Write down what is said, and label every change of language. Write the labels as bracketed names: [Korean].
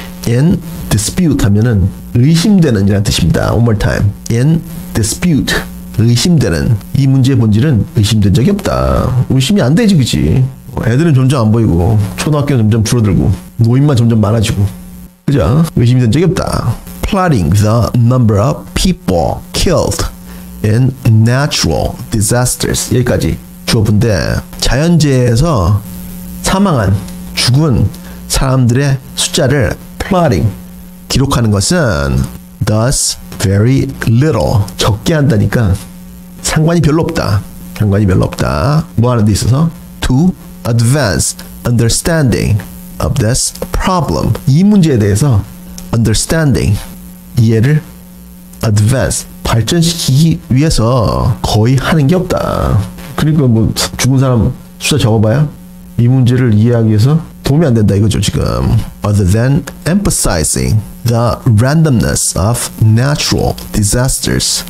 [Korean] In dispute 하면은 의심되는 이란 뜻입니다. [English] One more time. [Korean] In dispute. 의심되는. 이 문제의 본질은 의심된 적이 없다. 의심이 안 되지, 그치? 애들은 점점 안 보이고, 초등학교는 점점 줄어들고, 노인만 점점 많아지고. 그죠? 의심된 적이 없다. [English] Plotting the number of people killed in natural disasters. [Korean] 여기까지 주어분데, 자연재해에서 사망한, 죽은 사람들의 숫자를 plotting, 기록하는 것은 [English] thus very little, [Korean] 적게 한다니까 상관이 별로 없다. 상관이 별로 없다. 뭐 하는 데 있어서? [English] To advance understanding of this problem. [Korean] 이 문제에 대해서 understanding, 이해를 advance, 발전시키기 위해서 거의 하는 게 없다. 그러니까 뭐 죽은 사람 숫자 적어봐야 이 문제를 이해하기 위해서 도움이 안 된다 이거죠, 지금. [English] Other than emphasizing the randomness of natural disasters.